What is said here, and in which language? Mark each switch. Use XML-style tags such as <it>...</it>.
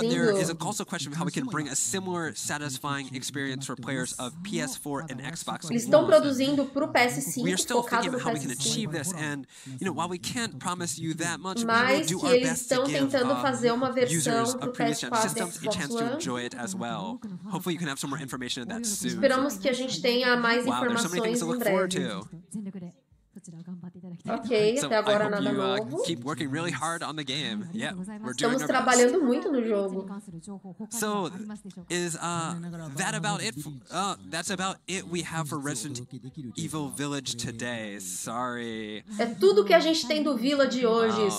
<en>But there is also a question of how we can bring a similar satisfying experience for players of PS4 and Xbox</en> <pt>One. Eles estão produzindo pro PS5.</pt> <en>We are still thinking about how we can achieve this, and you know, while we can't promise you that much, we will do our best to give users of previous-gen systems a chance to enjoy it as well. Hopefully, you can have some more information on that soon.</en> <pt>Esperamos que a gente tenha mais informações em breve. Ok, até agora nada novo. Estamos trabalhando muito no jogo.</pt> <en>So, is that about it? That's about it we have for Resident Evil Village today. Sorry.</en> <pt>É tudo que a gente tem do Vila de hoje.</pt>